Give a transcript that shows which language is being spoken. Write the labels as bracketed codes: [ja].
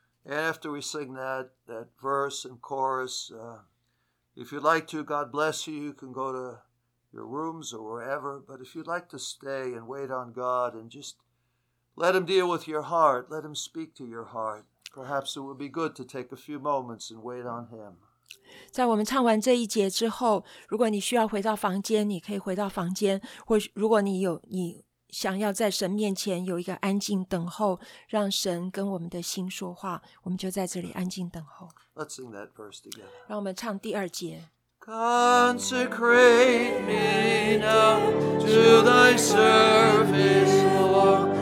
[en] And after we sing that verse and chorus, if you'd like to, God bless you. You can go to your rooms or wherever. But if you'd like to stay and wait on God and just let Him deal with your heart, let Him speak to your heart, perhaps it would be good to take a few moments and wait on Him. [zh] 在我们唱完这一节之后, 如果你需要回到房间, 你可以回到房间, 或如果你有, 你想要在神面前有一个安静等候, 让神跟我们的心说话, 我们就在这里安静等候。 [en] Let's sing that verse together. [zh] 让我们唱第二节。 [en] Consecrate me now to thy service, Lord,